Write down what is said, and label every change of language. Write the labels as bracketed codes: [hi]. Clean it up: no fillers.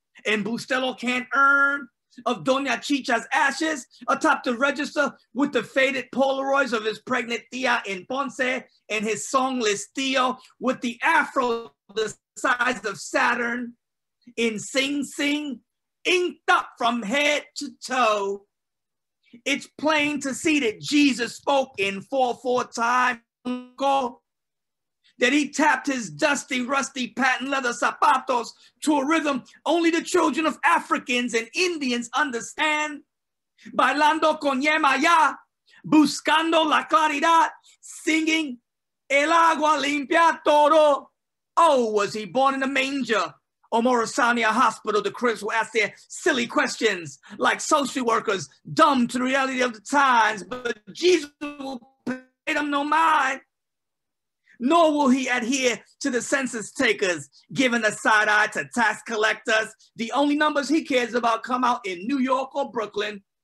[en] and Bustelo can't earn of Doña Chicha's ashes atop the register with the faded Polaroids of his pregnant tia in Ponce and his songless tío with the afro the size of Saturn in Sing Sing, inked up from head to toe. It's plain to see that Jesus spoke in 4/4 time, that he tapped his dusty, rusty patent leather zapatos to a rhythm only the children of Africans and Indians understand. [es] Bailando con Yemaya, buscando la claridad, [en] singing [es] el agua limpia todo. [en] Oh, was he born in a manger? Or Morrisania Hospital, the critics will ask their silly questions like social workers, dumb to the reality of the times, but Jesus will pay them no mind. Nor will he adhere to the census takers, giving a side eye to tax collectors. The only numbers he cares about come out in New York or Brooklyn.